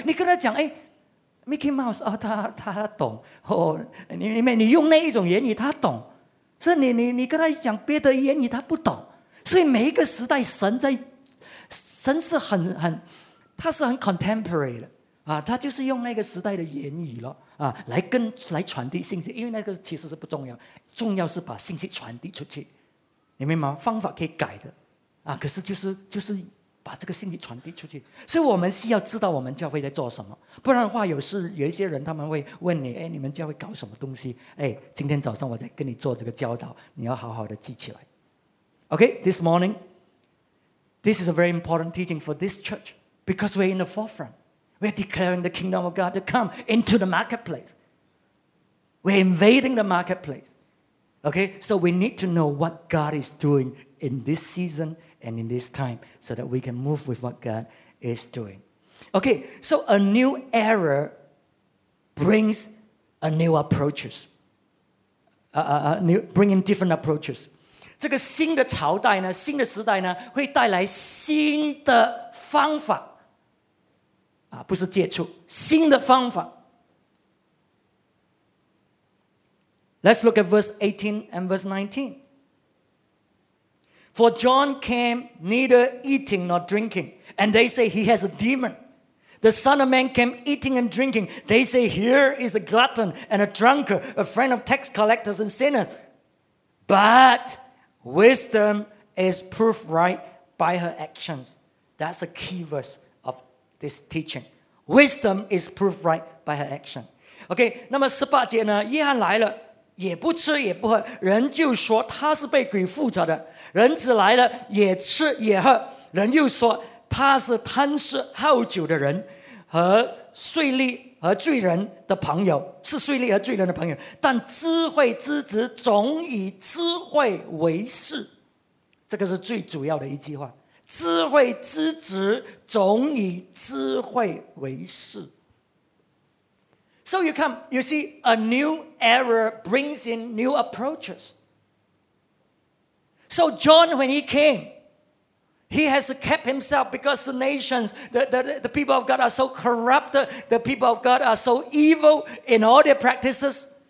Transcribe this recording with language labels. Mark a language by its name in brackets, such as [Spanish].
[Chinese] 你跟他讲哎Mickey Mouse、哦、他懂、哦、你用那一种言语他懂，所以 你跟他讲别的言语他不懂，所以每一个时代神在神是 很他是很 contemporary 的、啊、他就是用那个时代的言语了、啊、来传递信息，因为那个其实是不重要，重要是把信息传递出去，你明白吗？方法可以改的、啊、可是就是把这个信息传递出去，所以我们需要知道我们教会在做什么，不然的话有时有一些人他们会问你、哎、你们教会搞什么东西、哎、今天早上我在跟你做这个教导，你要好好的记起来。 [English] OK, this morning this is a very important teaching for this church because we're in the forefront, we're declaring the kingdom of God to come into the marketplace, we're invading the marketplace. OK, so we need to know what God is doing in this seasonand in this time, so that we can move with what God is doing. Okay, so a new era brings a new approaches. Bringing different approaches. [Chinese] 这个新的朝代呢，新的时代呢，会带来新的方法。啊，不是接触，新的方法。 [English] Let's look at verse 18 and verse 19. For John came neither eating nor drinking, and they say he has a demon. The Son of Man came eating and drinking. They say here is a glutton and a drunkard, a friend of tax collectors and sinners. But wisdom is proved right by her actions. That's the key verse of this teaching. Wisdom is proved right by her action. [Chinese] Okay, 那么十八节呢，约翰来了。也不吃也不喝，人就说他是被鬼附着的，人子来了也吃也喝，人又说他是贪吃好酒的人和税吏和罪人的朋友，是税吏和罪人的朋友，但智慧之子总以智慧为事，这个是最主要的一句话，智慧之子总以智慧为事。 [English] So you come, you see, a new era brings in new approaches. So John, when he came, he has to keep himself because the nations, the people of God are so corrupt, the people of God are so evil in all their practices.